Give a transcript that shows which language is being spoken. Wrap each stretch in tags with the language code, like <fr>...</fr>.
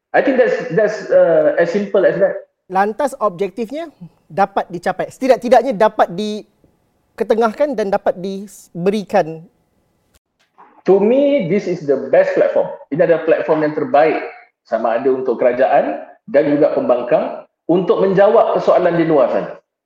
<en>I think that's as simple as that.</en> <ms>Lantas objektifnya dapat dicapai, setidak-tidaknya dapat diketengahkan dan dapat diberikan.</ms> <en>To me, this is the best platform.</en> <ms>Ini adalah platform yang terbaik sama ada untuk kerajaan dan juga pembangkang untuk menjawab persoalan di luar sana.</ms>